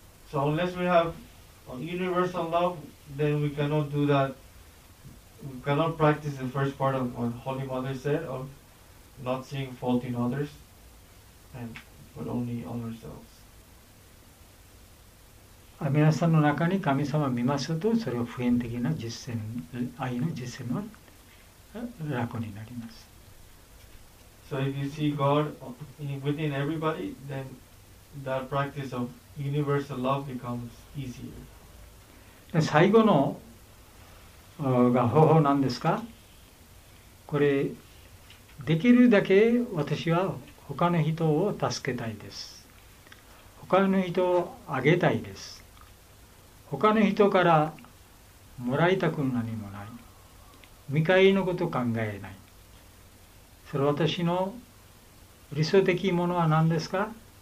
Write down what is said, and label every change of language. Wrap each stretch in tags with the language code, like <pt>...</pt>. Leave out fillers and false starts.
<en>So unless we have universal love, then we cannot do that. We cannot practice the first part of what Holy Mother said of not seeing fault in others, and but only on ourselves.</en> <ja>皆さんの中に神様を見ますと、それは普遍的な実践、愛の実践は楽になります。</ja> <en>So if you see God within everybody, then that practice of universal love becomes easier.</en> <ja>最後のが方法なんですか？これ、できるだけ私は他の人を助けたいです。他の人をあげたいです。他の人からもらいたく何もない、見返りのことを考えない、それ私の理想的ものは何ですか？</ja>